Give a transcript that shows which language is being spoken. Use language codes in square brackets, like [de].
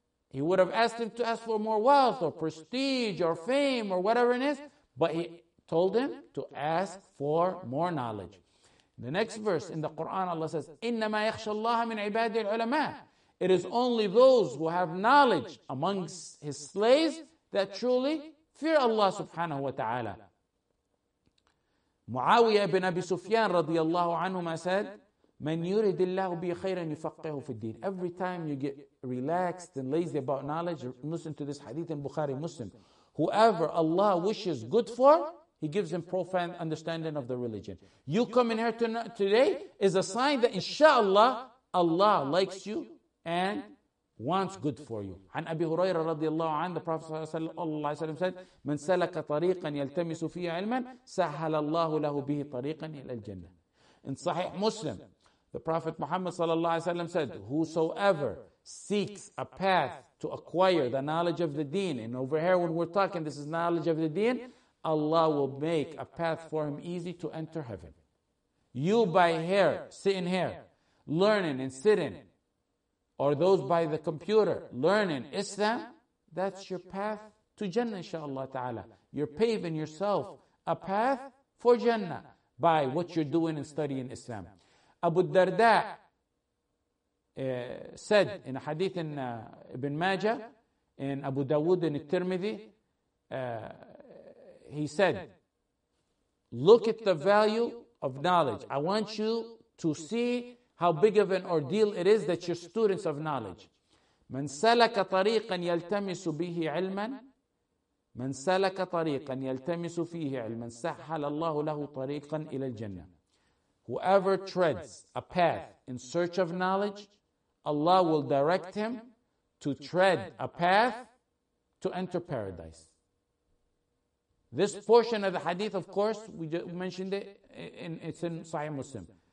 [en] He would have asked Him to ask for more wealth or prestige or fame or whatever it is, but He told him to ask for more knowledge. The next verse in the Quran, Allah says, [ar] إِنَّمَا يَخْشَ اللَّهَ مِنْ عِبَادِ الْعُلَمَاءِ. [en] It is only those who have knowledge amongst His slaves that truly fear Allah subhanahu wa ta'ala. [ar] Muawiyah ibn Abi Sufyan radiallahu anhuma said, مَنْ يُرِدِ اللَّهُ بِي خَيْرًا يُفَقِّهُ فِي الدِّينِ. [en] Every time you get relaxed and lazy about knowledge, listen to this hadith in Bukhari Muslim. Whoever Allah wishes good for, He gives him profound understanding of the religion. You coming here today is a sign that inshallah, Allah likes you and wants good for you. [ar] عن أبي هريرة رضي الله عنه, [en] the Prophet [ar] صلى الله عليه وسلم said, من سلك طريقا يلتمس فيه علما سهل الله له به طريقا إلى الجنة. [en] In Sahih Muslim, the Prophet Muhammad صلى الله عليه وسلم said, whosoever seeks a path to acquire the knowledge of the deen. And over here, when we're talking, this is knowledge of the deen, Allah will make a path for him easy to enter heaven. You by here, sitting here, learning and sitting, or those by the computer, learning Islam, that's your path to Jannah, inshaAllah ta'ala. You're paving yourself a path for Jannah by what you're doing and studying Islam. Abu Darda said in a hadith in Ibn Majah, in Abu Dawud in Tirmidhi, he said, look at the value of knowledge. I want you to see how big of an ordeal it is that you're students of knowledge. [ar] من سلك طريقا يلتمس به علما من سلك طريقا يلتمس فيه علما سهل الله له طريقا إلى الجنة. [en] Whoever treads a path in search of knowledge, Allah will direct him to tread a path to enter paradise. This portion of the hadith, of course, we mentioned it, it's in Sahih Muslim.